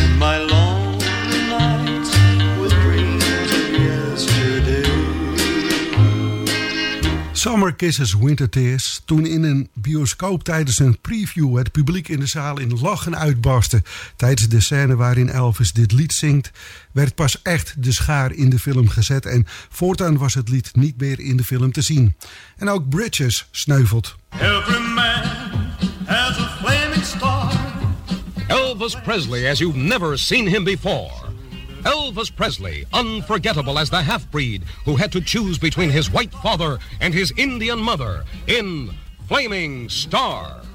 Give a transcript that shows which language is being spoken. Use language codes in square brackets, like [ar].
[en] My lonely nights with dreams of yesterday. Summer Kisses, Winter Tears. [nl] Toen in een bioscoop tijdens een preview het publiek in de zaal in lachen uitbarstte tijdens de scène waarin Elvis dit lied zingt, werd pas echt de schaar in de film gezet en voortaan was het lied niet meer in de film te zien. En ook Bridges sneuvelt. [en] Every man has a flaming star. Elvis Presley as you've never seen him before. Elvis Presley, unforgettable as the half-breed who had to choose between his white father and his Indian mother in Flaming Star.